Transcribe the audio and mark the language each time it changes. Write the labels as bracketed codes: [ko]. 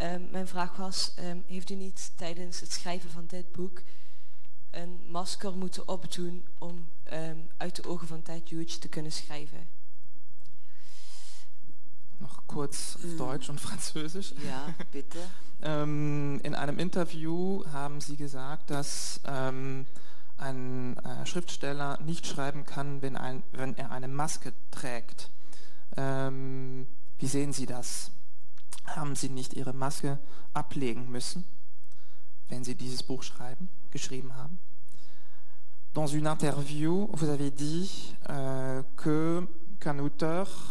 [nl] Mijn vraag was, heeft u niet tijdens het schrijven van dit boek een masker moeten opdoen om uit de ogen van Ted Hughes te kunnen schrijven? [de] Nog kurz auf Deutsch und Französisch. Ja, bitte. In einem Interview haben Sie gesagt, dass ein Schriftsteller nicht schreiben kann, wenn er eine Maske trägt. Wie sehen Sie das? Haben Sie nicht Ihre Maske ablegen müssen, wenn Sie dieses Buch schreiben? Geschrieben haben. [fr] Dans une interview, vous avez dit qu'un auteur